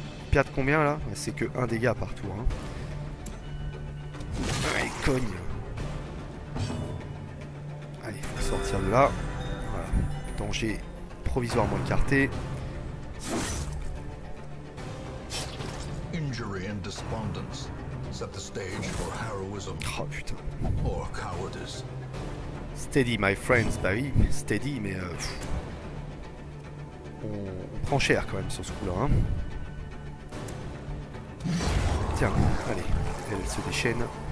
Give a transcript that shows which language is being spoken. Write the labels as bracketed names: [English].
[French] Perdre combien, là? C'est que 1 dégât par tour. Hein. Allez, cogne. Allez, faut sortir de là. Danger provisoirement écarté. [English] Injury and despondence set the stage for heroism. [French] Oh putain. [English] Or cowardice. Steady, my friends. [French] Bah oui, steady, mais on prend cher quand même sur ce coup-là. Hein. Tiens, allez, elle se déchaîne.